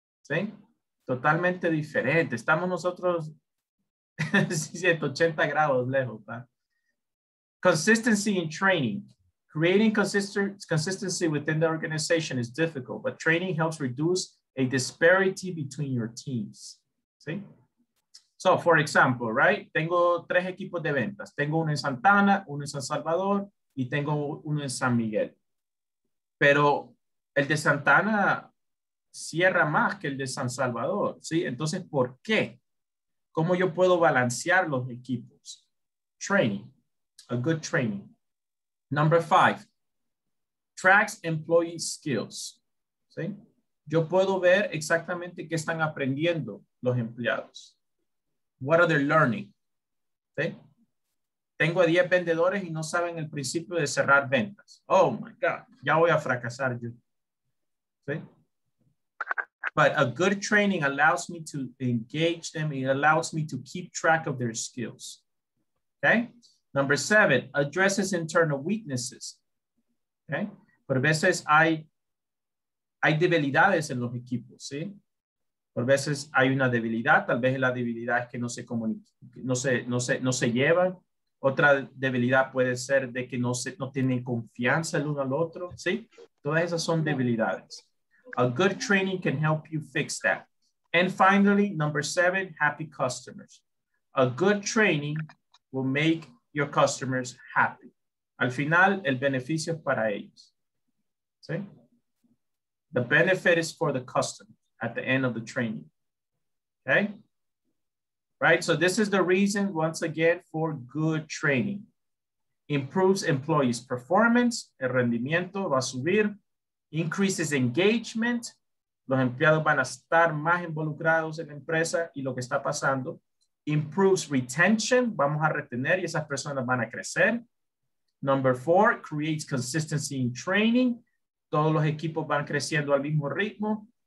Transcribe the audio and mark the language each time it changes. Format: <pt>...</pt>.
<es>¿Sí? Totalmente diferente. Estamos nosotros 180 grados lejos, ¿verdad?</es> <en>Consistency in training. Creating consistency within the organization is difficult, but training helps reduce a disparity between your teams.</en> <es>¿Sí?</es> <en>So, for example, right?</en> <es>Tengo tres equipos de ventas. Tengo uno en Santana, uno en San Salvador, y tengo uno en San Miguel. Pero el de Santana cierra más que el de San Salvador, ¿sí? Entonces, ¿por qué? ¿Cómo yo puedo balancear los equipos?</es> <en>Training, a good training. Number five, tracks employee skills, ¿sí?</en> <es>Yo puedo ver exactamente qué están aprendiendo los empleados.</es> <en>What are they learning?</en> <es>¿Sí? Tengo 10 vendedores y no saben el principio de cerrar ventas.</es> <en>Oh my God,</en> <es>ya voy a fracasar yo. ¿Sí?</es> <en>But a good training allows me to engage them. It allows me to keep track of their skills. Okay. Number seven, addresses internal weaknesses. Okay.</en> <es>Por veces hay debilidades en los equipos. ¿Sí? Por veces hay una debilidad. Tal vez la debilidad es que no se llevan. Otra debilidad puede ser de que no tienen confianza el uno al otro. ¿Sí? Todas esas son debilidades.</es> <en>A good training can help you fix that. And finally, number seven, happy customers. A good training will make your customers happy.</en> <es>Al final, el beneficio es para ellos. ¿Sí?</es> <en>The benefit is for the customer at the end of the training. Okay? Right? So this is the reason, once again, for good training. Improves employees' performance.</en> <es>El rendimiento va a subir.</es> <en>Increases engagement,</en> <es>los empleados van a estar más involucrados en la empresa y lo que está pasando.</es> <en>Improves retention,</en> <es>vamos a retener y esas personas van a crecer.</es> <en>Number four, creates consistency in training.</en> <es>Todos los equipos van creciendo al mismo ritmo.</es>